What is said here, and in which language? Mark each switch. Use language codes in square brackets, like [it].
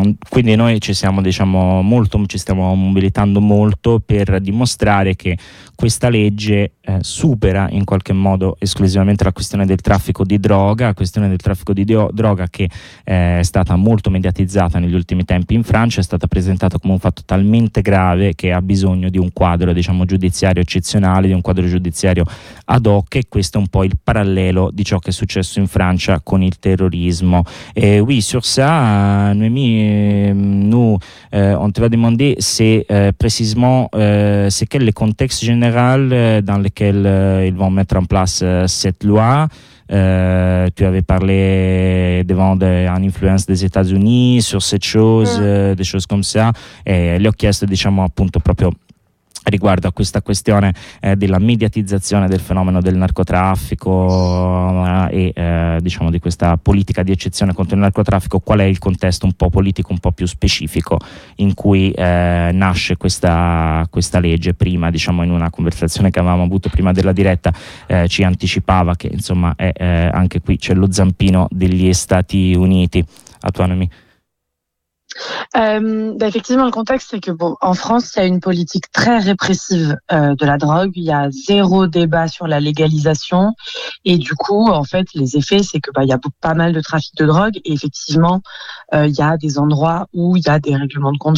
[it] Quindi noi ci siamo, diciamo, molto, ci stiamo mobilitando molto per dimostrare che questa legge supera in qualche modo esclusivamente la questione del traffico di droga, droga che è stata molto mediatizzata negli ultimi tempi in Francia, è stata presentata come un fatto talmente grave che ha bisogno di un quadro, diciamo, giudiziario eccezionale, di un quadro giudiziario ad hoc, e questo è un po' il parallelo di ciò che è successo in Francia con il terrorismo. [fr] Oui, sur ça, Noémie, nous, on te va demander c'est quel le contexte général dans lequel ils vont mettre en place cette loi. Tu avais parlé devant une influence des États-Unis sur cette chose, des choses comme ça, et [it] gli ho chiesto, diciamo, appunto proprio riguardo a questa questione della mediatizzazione del fenomeno del narcotraffico e diciamo di questa politica di eccezione contro il narcotraffico, qual è il contesto un po' politico, un po' più specifico in cui nasce questa legge? Prima, diciamo, in una conversazione che avevamo avuto prima della diretta, ci anticipava che, insomma, anche qui c'è lo zampino degli Stati Uniti. [fr] A tu, Noémie. Effectivement, le contexte, c'est que bon, en France, il y a une politique très répressive de la drogue. Il y a zéro débat sur la légalisation, et du coup, en fait, les effets, c'est que il y a pas mal de trafic de drogue. Et effectivement, il y a des endroits où il y a des règlements de compte.